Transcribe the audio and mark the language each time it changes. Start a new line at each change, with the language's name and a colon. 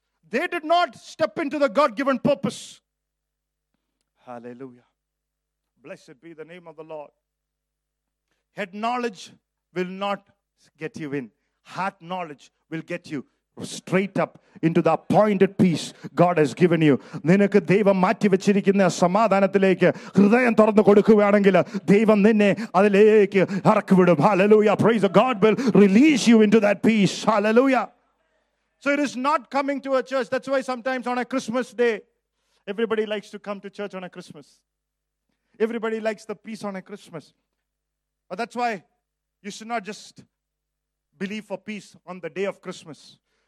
English: They did not step into the God-given purpose. Hallelujah. Blessed be the name of the Lord. Head knowledge will not get you in. Heart knowledge will get you straight up into the appointed peace God has given you.
Malayalam: നിനക്ക് ദൈവം മാറ്റി വെച്ചിരിക്കുന്ന സമാധാനത്തിലേക്ക് ഹൃദയം തുറന്നു കൊടുക്കുകയാണെങ്കിൽ ദൈവം നിന്നെ അതിലേക്ക് ഇറക്കിവിടും.
English: Hallelujah. Praise the God will release you into that peace. Hallelujah. So it is not coming to a church. That's why sometimes on a Christmas day, everybody likes to come to church on a Christmas. Everybody likes the peace on a Christmas. But that's why you should not just believe for peace on the day of Christmas.